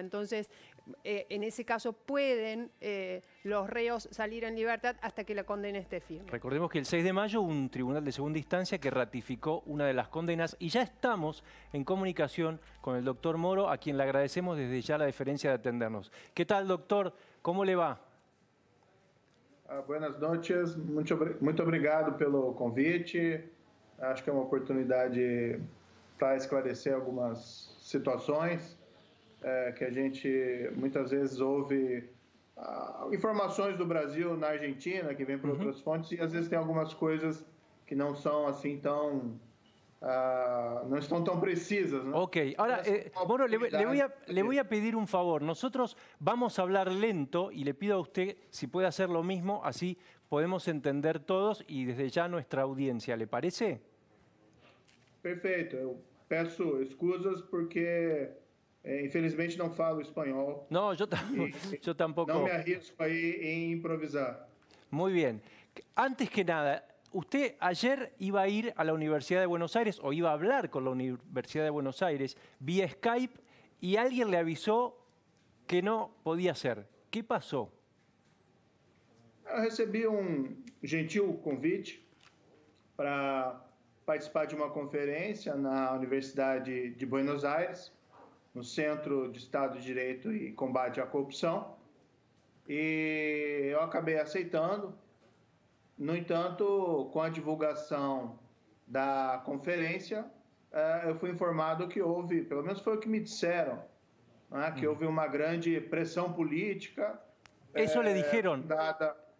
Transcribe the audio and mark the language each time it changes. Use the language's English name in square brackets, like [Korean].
[Spanish] Entonces, en ese caso pueden los reos salir en libertad hasta que la condena esté firme. Recordemos que el 6 de mayo hubo un tribunal de segunda instancia que ratificó una de las condenas y ya estamos en comunicación con el doctor Moro, a quien le agradecemos desde ya la deferencia de atendernos. ¿Qué tal, doctor? ¿Cómo le va? Buenas noches. [Portuguese] Muito obrigado pelo convite. Acho que é uma oportunidade para esclarecer algumas situações que a gente muitas vezes ouve informações do Brasil na Argentina, que vem por outras fontes, e às vezes tem algumas coisas que não são assim tão... [Spanish] no están tan precisas, ¿no? Ok, ahora, Moro, le voy a pedir un favor. Nosotros vamos a hablar lento y le pido a usted si puede hacer lo mismo, así podemos entender todos y desde ya nuestra audiencia, ¿le parece? [Portuguese] Perfecto, peço excusas porque, infelizmente, no falo español. [Spanish] No, yo tampoco. No me arriesgo ahí en improvisar. Muy bien, antes que nada... Usted ayer iba a ir a la Universidad de Buenos Aires o iba a hablar con la Universidad de Buenos Aires vía Skype y alguien le avisó que no podía ser. ¿Qué pasó? Yo recibí un gentil convite para participar de una conferencia en la Universidad de Buenos Aires, en el Centro de Estado de Derecho y Combate a la Corrupción. Y yo acabé aceptando. [Portuguese] No entanto, com a divulgação da conferência, eu fui informado que houve, pelo menos foi o que me disseram, né, que houve uma grande pressão política. Isso lhe disseram? Dada.